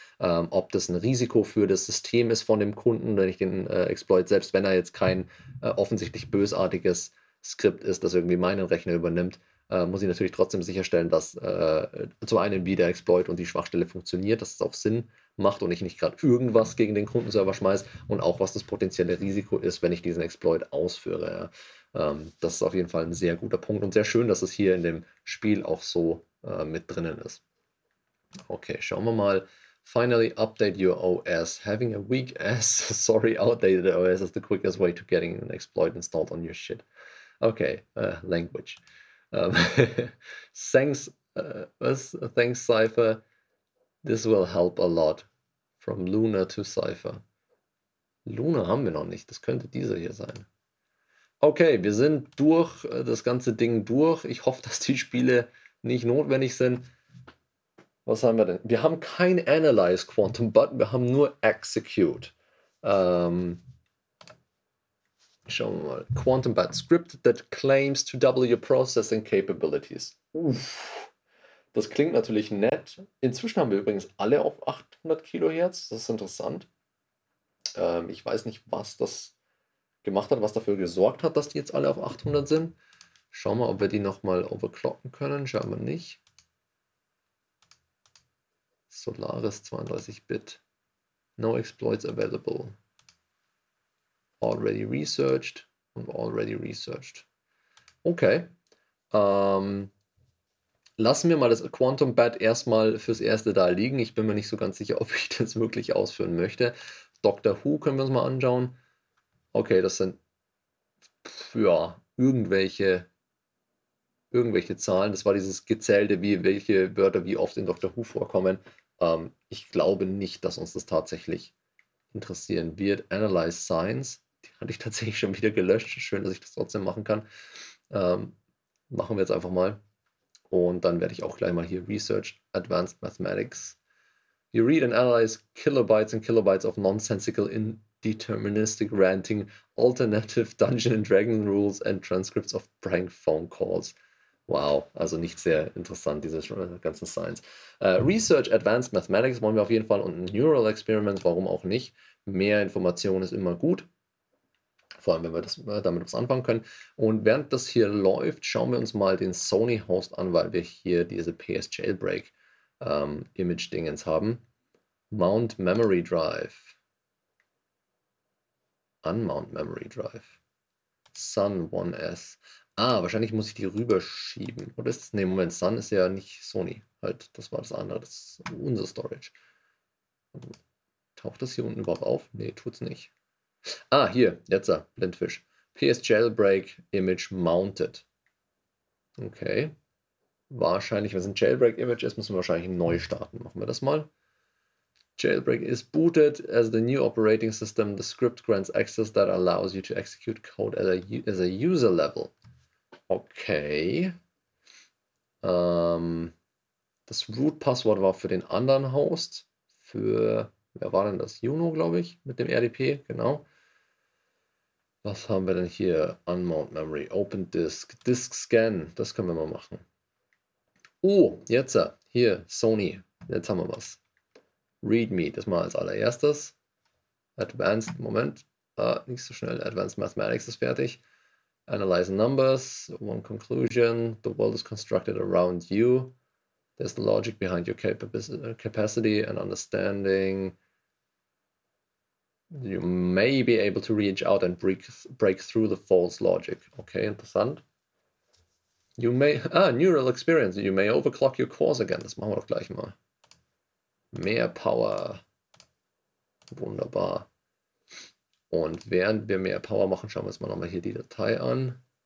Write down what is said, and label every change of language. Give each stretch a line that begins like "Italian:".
German: Ob das ein Risiko für das System ist von dem Kunden, wenn ich den Exploit, selbst wenn er jetzt kein offensichtlich bösartiges Skript ist, das irgendwie meinen Rechner übernimmt, muss ich natürlich trotzdem sicherstellen, dass zum einen wie der Exploit und die Schwachstelle funktioniert, dass es auch Sinn macht und ich nicht gerade irgendwas gegen den Kundenserver schmeiße und auch was das potenzielle Risiko ist, wenn ich diesen Exploit ausführe. Ja. Das ist auf jeden Fall ein sehr guter Punkt und sehr schön, dass es hier in dem Spiel auch so mit drinnen ist. Okay, schauen wir mal.
English: Finally, update your OS. Having a weak ass, sorry, outdated OS is the quickest way to getting an exploit installed on your shit. Okay, language. thanks, Cypher. This will help a lot. From Luna to Cypher.
German: Luna haben wir noch nicht. Das könnte dieser hier sein. Okay, wir sind durch, das ganze Ding durch. Ich hoffe, dass die Spiele nicht notwendig sind. Was haben wir denn? Wir haben kein Analyze Quantum Button, wir haben nur Execute. Schauen wir mal.
English: Quantum Bat Script that claims to double your processing capabilities. Uff.
German: Das klingt natürlich nett. Inzwischen haben wir übrigens alle auf 800 Kilohertz. Das ist interessant. Ich weiß nicht, was das gemacht hat, was dafür gesorgt hat, dass die jetzt alle auf 800 sind. Schauen wir mal, ob wir die nochmal overclocken können. Schauen wir nicht.
English: Solaris 32-Bit. No exploits available. Already researched und already researched. Okay.
German: Lassen wir mal das Quantum Bat erstmal fürs Erste da liegen. Ich bin mir nicht so ganz sicher, ob ich das wirklich ausführen möchte. Doctor Who können wir uns mal anschauen. Okay, das sind ja irgendwelche Zahlen. Das war dieses Gezählte, wie welche Wörter wie oft in Doctor Who vorkommen. Ich glaube nicht, dass uns das tatsächlich interessieren wird. Analyze Science. Die hatte ich tatsächlich schon wieder gelöscht. Schön, dass ich das trotzdem machen kann. Machen wir jetzt einfach mal. Und dann werde ich auch gleich mal hier Research Advanced Mathematics.
English: You read and analyze kilobytes and kilobytes of nonsensical indeterministic ranting, alternative Dungeon and Dragon rules and transcripts of prank phone calls.
German: Wow, also nicht sehr interessant, diese ganzen Science. Research Advanced Mathematics wollen wir auf jeden Fall und ein Neural Experiment, warum auch nicht? Mehr Informationen ist immer gut. Vor allem, wenn wir damit was anfangen können. Und während das hier läuft, schauen wir uns mal den Sony-Host an, weil wir hier diese PS-Jailbreak Image-Dingens haben.
English: Mount Memory Drive. Unmount Memory Drive. Sun 1S.
German: Ah, wahrscheinlich muss ich die rüberschieben. Oder ist das? Ne, Moment, Sun ist ja nicht Sony. Halt, das war das andere. Das ist unser Storage. Taucht das hier unten überhaupt auf? Ne, tut's nicht. Ah, hier, jetzt, Blindfisch.
English: PS Jailbreak Image Mounted. Okay.
German: Wahrscheinlich, wenn es ein Jailbreak Image ist, müssen wir wahrscheinlich neu starten. Machen wir das mal.
English: Jailbreak is booted as the new operating system. The script grants access that allows you to execute code as a user level. Okay.
German: Das Root-Passwort war für den anderen Host. Für, wer war denn das? Juno, glaube ich, mit dem RDP, genau. Was haben wir denn hier? Unmount Memory, Open Disk, Disk Scan. Das können wir mal machen. Oh, jetzt, hier, Sony. Jetzt haben wir was. Readme, das mal als allererstes. Advanced, Moment. Ah, nicht so schnell. Advanced Mathematics ist fertig.
English: Analyze Numbers. One conclusion. The world is constructed around you. There's the logic behind your capacity and understanding. You may be able to reach out and break through the false logic.
German: Okay, interessant.
English: You may, neural experience. You may overclock your cores again.
German: Das machen wir doch gleich mal. Mehr Power. Wunderbar. Und während wir mehr Power machen, schauen wir uns mal nochmal hier die Datei an.